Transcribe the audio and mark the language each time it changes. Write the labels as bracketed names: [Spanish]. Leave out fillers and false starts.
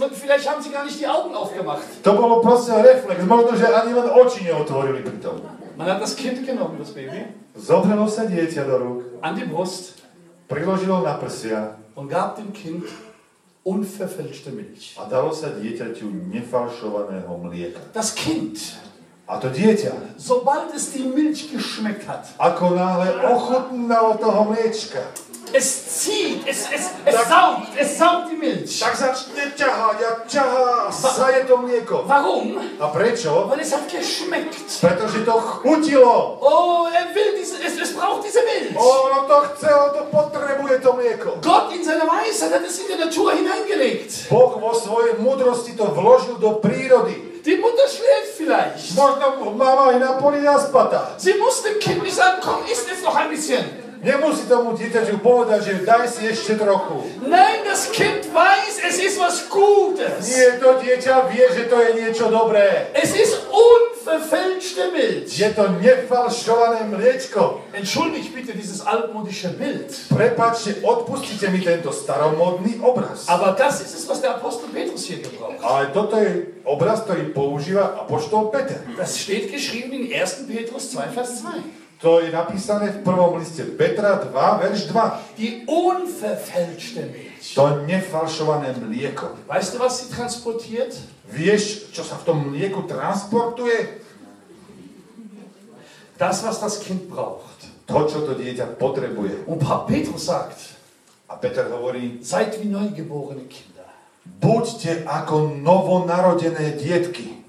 [German] Und vielleicht haben sie gar nicht die Augen aufgemacht. [Slovak] To bolo proste reflex. Možno, že ani len oči neotvorili pritom. [German] Man hat das Kind genommen, das Baby. [Slovak] Zobralo sa dieťa do rúk. [German] An die Brust. [Slovak] Priložilo na prsia. [German] Und gab dem Kind unverfälschte Milch. [Slovak] A dalo sa dieťaťu nefalšovaného mlieka. [German] Das Kind. [Slovak] A to dieťa. [German] Sobald es die Milch geschmeckt hat. [Slovak] Ako náhle ochutnalo toho mliečka. [German] Es zieht, es saugt die Milch. [Slovak] Tak začne ťahať a ťahá a saje to mlieko. [German] Warum? [Slovak] A prečo? [German] Weil es hat geschmeckt. [Slovak] Pretože to chutilo. [German] Oh, er will diese, es braucht diese Milch. [Slovak] Oh, ono to chce, ono to potrebuje to mlieko. [German] Gott in seiner Weisheit hat es in die Natur hineingelegt. [Slovak] Boh vo svojej múdrosti to vložil do prírody. [German] Die Mutter schläft vielleicht. [Slovak] Možno mama i na poli naspata. [German] Sie muss dem Kind nicht sagen, komm, isst es noch ein bisschen. [Slovak] Nemusí tomu dieťaťu povedať, že daj si ešte trochu. [German] Nein, das Kind weiß, es ist was Gutes. [Slovak] Nie, to dieťa vie, že to je niečo dobré. [German] Es ist unverfälschte Milch. [Slovak] Je to nefalšované mliečko. [German] Entschuldig bitte dieses altmodische Bild. [Slovak] Prepáčte, odpustite mi tento staromodný obraz. [German] Aber das ist es, was der Apostel Petrus hier gebraucht. [Slovak] Ale toto je obraz, ktorý používa apoštol Peter. [German] Das steht geschrieben in 1. Petrus 2, Vers 2. [Slovak] To je napísané v prvom liste Petra 2, verš 2. [German] Die unverfälschte Milch. [Slovak] To nefalšované mlieko. [German] Weißt du, was sie transportiert? [Slovak] Vieš, čo sa v tom mlieku transportuje? [German] Das, was das Kind braucht. [Slovak] To, čo to dieťa potrebuje. [German] Und Papa Petru sagt. [Slovak] A Peter hovorí. [German] Seid wie neugeborene Kinder. [Slovak] Buďte ako novonarodené dietky.